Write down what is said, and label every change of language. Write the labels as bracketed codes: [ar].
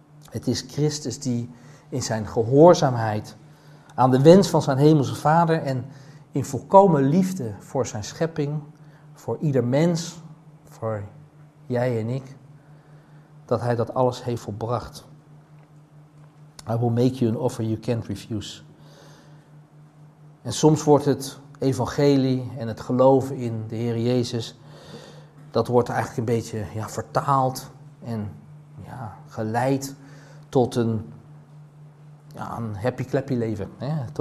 [nl] Het is Christus die in zijn gehoorzaamheid aan de wens van zijn hemelse Vader en in volkomen liefde voor zijn schepping, voor ieder mens, voor jij en ik, dat Hij dat alles heeft volbracht. [en] I will make you an offer you can't refuse. [nl] En soms wordt het evangelie en het geloven in de Heer Jezus, dat wordt eigenlijk een beetje vertaald en geleid tot een happy-clappy leven. Hè?